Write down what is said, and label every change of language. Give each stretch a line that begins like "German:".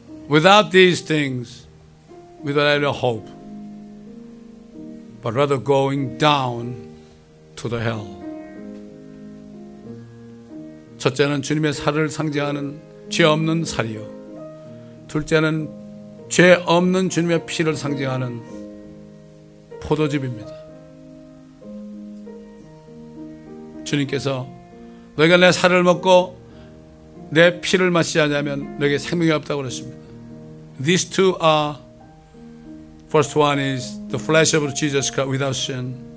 English: Without these things, we don't have any hope, but rather going down to the hell.
Korean: 첫째는 주님의 살을 상징하는 죄 없는 살이요. 둘째는 죄 없는 주님의 피를 상징하는 포도즙입니다. 주님께서 너희가 내 살을 먹고 내 피를 마시지 않으면 너희에게 생명이 없다고 그랬습니다.
English: These two are, first one is the flesh of Jesus Christ without sin.